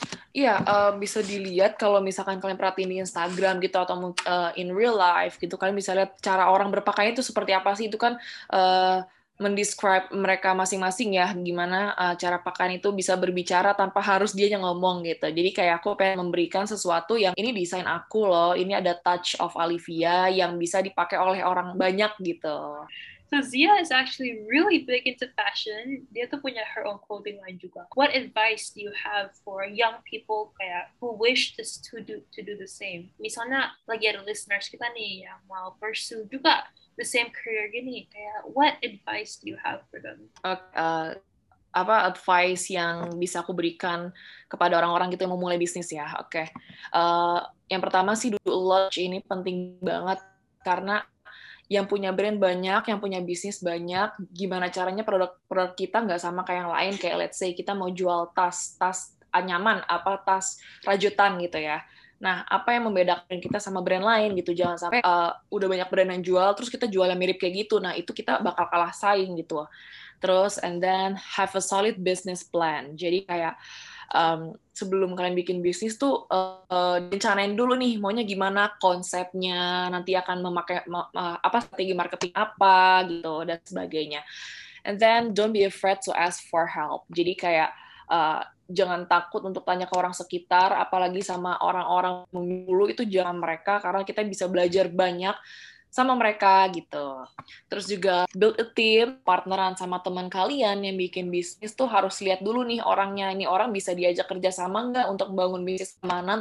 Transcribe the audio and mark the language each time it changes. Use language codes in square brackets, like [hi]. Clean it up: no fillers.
[id] Iya, bisa dilihat kalau misalkan kalian perhatiin di Instagram gitu, atau in real life gitu, kalian bisa lihat cara orang berpakaian itu seperti apa sih, itu kan mendescribe mereka masing-masing ya, gimana cara pakaian itu bisa berbicara tanpa harus dia yang ngomong gitu. Jadi kayak aku pengen memberikan sesuatu yang ini desain aku loh, ini ada touch of Alifya yang bisa dipakai oleh orang banyak gitu. [en] So Zia is actually really big into fashion. [id] Dia tuh punya [en] her own clothing line [id] juga. [en] What advice do you have for young people [id] kayak [en] who wish to do the same? [id] Misalnya lagi ada listeners kita nih yang mau pursue juga [en] the same career [id] gini. Kayak [en] what advice do you have for them? [id] Apa advice yang bisa aku berikan kepada orang-orang gitu yang mau mulai bisnis ya? Yang pertama sih, dulu launch ini penting banget, karena yang punya brand banyak, yang punya bisnis banyak, gimana caranya produk-produk kita nggak sama kayak yang lain. Kayak [en] let's say [id] kita mau jual tas anyaman, apa tas rajutan gitu ya. Nah, apa yang membedakan kita sama brand lain gitu? Jangan sampai udah banyak brand yang jual, terus kita jual yang mirip kayak gitu. Nah, itu kita bakal kalah saing gitu. Terus, [en] and then have a solid business plan. [id] Jadi kayak sebelum kalian bikin bisnis tuh rencanain dulu nih maunya gimana, konsepnya nanti akan memakai apa, strategi marketing apa gitu dan sebagainya. [en] And then don't be afraid to ask for help. [id] Jadi kayak jangan takut untuk tanya ke orang sekitar, apalagi sama orang-orang dulu itu, jangan mereka, karena kita bisa belajar banyak sama mereka gitu. Terus juga [en] build a team, [id] partneran sama teman kalian yang bikin bisnis tuh harus lihat dulu nih orangnya, ini orang bisa diajak kerja sama nggak untuk bangun bisnis kemana.